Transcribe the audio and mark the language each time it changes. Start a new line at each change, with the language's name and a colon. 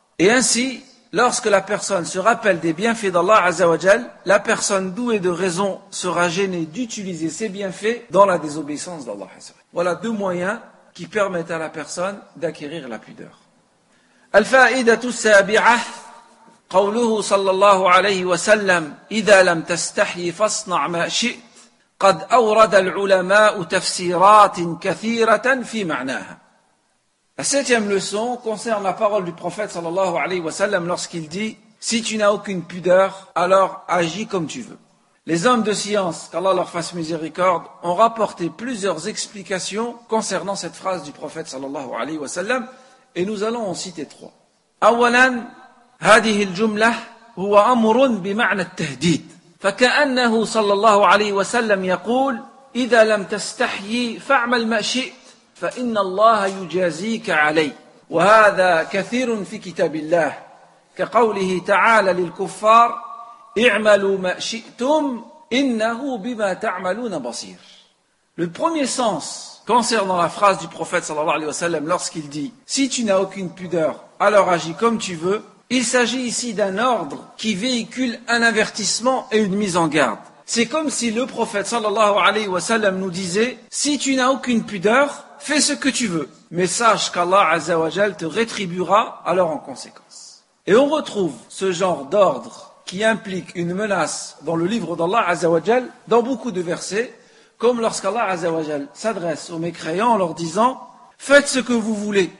French: Et ainsi, lorsque la personne se rappelle des bienfaits d'Allah Azzawajal, la personne douée de raison sera gênée d'utiliser ses bienfaits dans la désobéissance d'Allah Azzawajal. Voilà deux moyens qui permettent à la personne d'acquérir la pudeur.
Arabic: Al-fa'idatu sabi'ah. قوله صلى الله عليه وسلم إذا لم تستحي فاصنع ما شئت قد أورد العلماء تفسيرات كثيرة في معناها.
French: La septième leçon concerne la parole du prophète
Arabic: صلى الله عليه وسلم
French: lorsqu'il dit « Si tu n'as aucune pudeur, alors agis comme tu veux ». Les hommes de science, qu'Allah leur fasse miséricorde, ont rapporté plusieurs explications concernant cette phrase du prophète
Arabic: صلى الله عليه وسلم
French: et nous allons en citer trois.
Arabic: أولاً هذه الجملة هو أمر بمعنى التهديد فكأنه صلى الله عليه وسلم يقول إذا لم تستحيي فاعمل ما شئت فإن الله يجازيك عليه وهذا كثير في كتاب الله كقوله تعالى للكفار اعملوا ما شئتم إنه بما تعملون بصير.
French: Le premier sens concernant la phrase du prophète
Arabic: صلى الله عليه وسلم
French: lorsqu'il dit si tu n'as aucune pudeur alors agis comme tu veux. Il s'agit ici d'un ordre qui véhicule un avertissement et une mise en garde. C'est comme si le prophète sallallahu alayhi wa sallam nous disait « Si tu n'as aucune pudeur, fais ce que tu veux, mais sache qu'Allah azza wa jal te rétribuera alors en conséquence. » Et on retrouve ce genre d'ordre qui implique une menace dans le livre d'Allah azza wa jal dans beaucoup de versets, comme lorsqu'Allah azza wa jal s'adresse aux mécréants en leur disant « Faites ce que vous voulez.